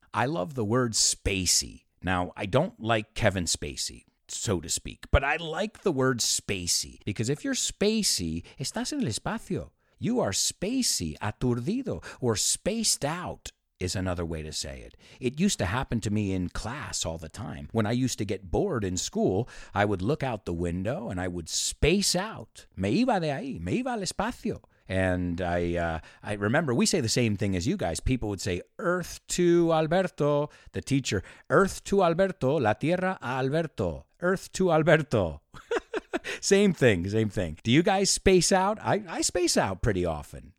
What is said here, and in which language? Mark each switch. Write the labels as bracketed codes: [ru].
[en] I love the word spacey. Now, I don't like Kevin Spacey, so to speak, but I like the word spacey because if you're spacey, [es] estás en el espacio. [en] You are spacey, aturdido, or spaced out is another way to say it. It used to happen to me in class all the time. When I used to get bored in school, I would look out the window and I would space out. [es] Me iba de ahí, me iba al espacio. [en] And I remember we say the same thing as you guys. People would say, Earth to Alberto, the teacher. Earth to Alberto, [es] la tierra a Alberto. [en] Earth to Alberto. same thing. Do you guys space out? I space out pretty often.